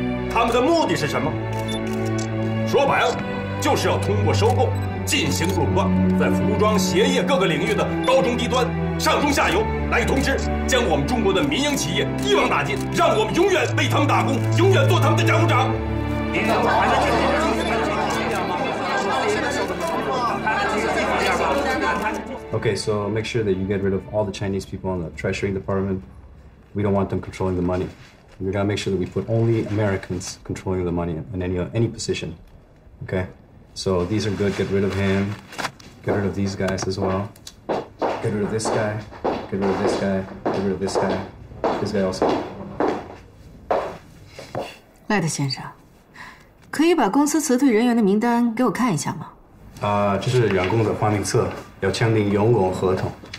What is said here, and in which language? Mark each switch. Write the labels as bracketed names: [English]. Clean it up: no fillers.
[Chinese] 他们的目的是什么？说白了，就是要通过收购进行垄断，在服装、鞋业各个领域的高中低端、上中下游来通吃，将我们中国的民营企业一网打尽，让我们永远为他们打工，永远做他们的加工厂。您能把这些事情 [English] ？OK, so make sure that you get rid of all the Chinese people in the Treasury Department. We don't want them controlling the money. We gotta make sure that we put only Americans controlling the money in any position. Okay, so these are good. Get rid of him. Get rid of these guys as well. Get rid of this guy, get rid of this guy, get rid of this guy. This guy also. [Chinese] 赖德先生，可以把公司辞退人员的名单给我看一下吗？啊，这是员工的花名册，要签订员工合同。